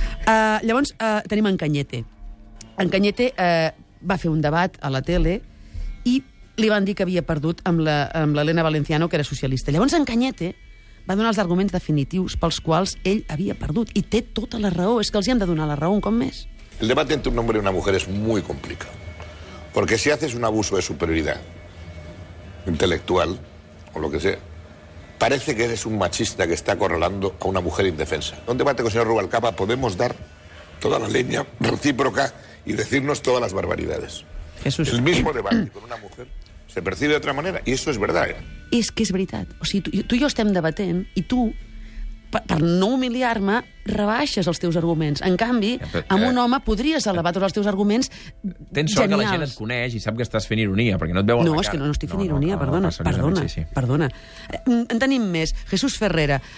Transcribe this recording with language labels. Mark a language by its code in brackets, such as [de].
[ca] Llavors tenim en Cañete. En Cañete va fer un debat a la tele i li van dir que havia perdut amb l'Elena Valenciano, que era socialista. Llavors en Cañete va donar els arguments definitius pels quals ell havia perdut. I té tota la raó. És que els hi han de donar la raó un cop més. [es] El debate entre un hombre y una mujer es muy complicado. Porque si haces un abuso de superioridad intelectual o lo que sea, parece que eres un machista que está acorralando a una mujer indefensa. En un debate con el señor Rubalcaba podemos dar toda la leña recíproca y decirnos todas las barbaridades. Jesús. El mismo debate con una mujer se percibe de otra manera y eso es verdad. Es que es verdad. O sea, tú y yo estamos debatiendo y tú, [ca] per no humiliar-me, rebaixes els teus arguments. En canvi, amb un home podries elevar tots els teus arguments genials. Tens sort que la gent et coneix i sap que estàs fent ironia, perquè no et veu a la cara. No, és que no estic fent ironia, perdona. Perdona, perdona. En tenim més. Jesús Ferrera.